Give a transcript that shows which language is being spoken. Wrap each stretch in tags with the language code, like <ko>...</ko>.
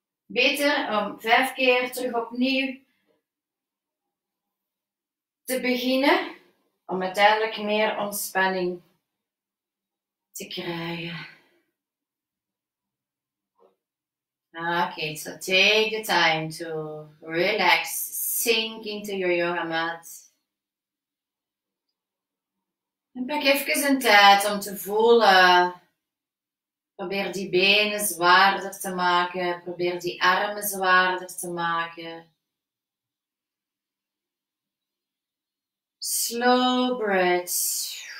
<nl>Beter om 5 keer terug opnieuw te beginnen. Om uiteindelijk meer ontspanning te krijgen.</nl> <en>Okay, so take the time to relax, sink into your yoga mat.</en> <nl>En pak even een tijd om te voelen. Probeer die benen zwaarder te maken. Probeer die armen zwaarder te maken.</nl> <en>Slow breath.</en>